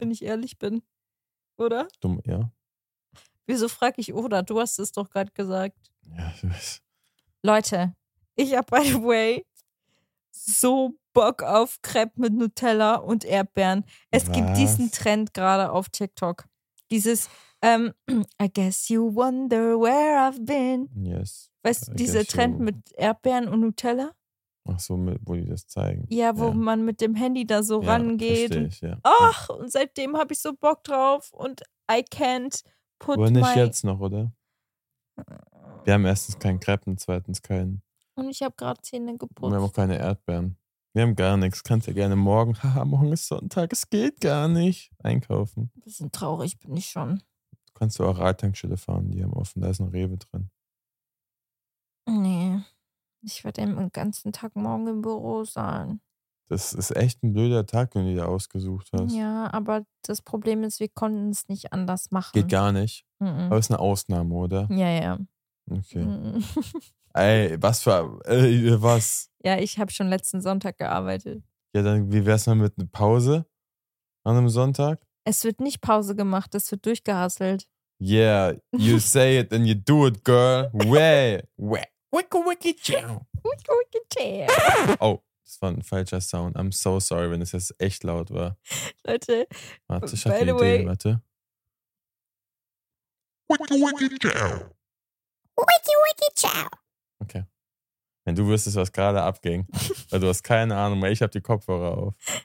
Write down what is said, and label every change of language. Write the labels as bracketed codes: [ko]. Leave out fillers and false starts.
[de] Wenn ich ehrlich bin. Oder? Dumm, ja. Wieso frage ich oder? Du hast es doch gerade gesagt. Ja, du bist. Leute, ich habe, [en] by the way, [de] so Bock auf Crepe mit Nutella und Erdbeeren. Es gibt diesen Trend gerade auf TikTok. Dieses [en] I guess you wonder where I've been. Yes. [de] Weißt du, dieser Trend mit Erdbeeren und Nutella? Ach so, wo die das zeigen. Ja, wo man mit dem Handy da so rangeht. Richtig, und, ach, und seitdem habe ich so Bock drauf und [en] I can't. [de] Aber nicht jetzt noch, oder? Wir haben erstens keinen Crepe und zweitens keinen. Und ich habe gerade Zähne geputzt. Wir haben auch keine Erdbeeren. Wir haben gar nichts. Kannst ja gerne morgen, haha, morgen ist Sonntag, es geht gar nicht, einkaufen. Ein bisschen traurig bin ich schon. Du kannst auch Rathangstelle fahren, die haben offen, da ist ein Rewe drin. Nee, ich werde den ganzen Tag morgen im Büro sein. Das ist echt ein blöder Tag, den du dir ausgesucht hast. Ja, aber das Problem ist, wir konnten es nicht anders machen. Geht gar nicht. Mm-mm. Aber ist eine Ausnahme, oder? Ja, ja. Okay. Mm-mm. Ey, was für... was? Ja, ich habe schon letzten Sonntag gearbeitet. Ja, dann wie wär's mal mit einer Pause an einem Sonntag? Es wird nicht Pause gemacht, es wird durchgehasselt. [en] Yeah, you say it and you do it, girl. Way, way. Wicky, wicky, chill. Wicky, wicky, chill. Oh. [de] Das war ein falscher Sound. [en] I'm so sorry, [de] wenn es jetzt echt laut war. Leute. Warte, ich habe eine Idee. Warte. Wiki wiki ciao. Wiki wiki ciao. Okay. Wenn du wüsstest, was gerade abging, weil du hast keine Ahnung, weil ich habe die Kopfhörer auf.